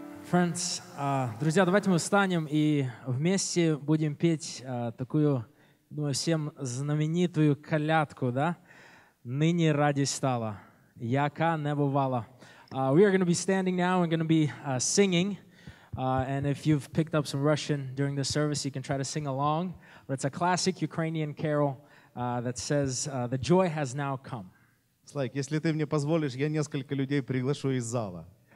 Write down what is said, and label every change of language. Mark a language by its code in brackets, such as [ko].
[ru] Friends, друзья, давайте мы встанем и вместе будем петь такую, думаю, всем знаменитую колядку, да? [uk] Ныне радость стала, яка не бывала. [en] We are going to be standing now and going to be singing. And if you've picked up some Russian during the service, you can try to sing along. But it's a classic Ukrainian carol that says, the joy has now come. [ru] Слайк, если ты мне позволишь, я несколько людей приглашу из зала.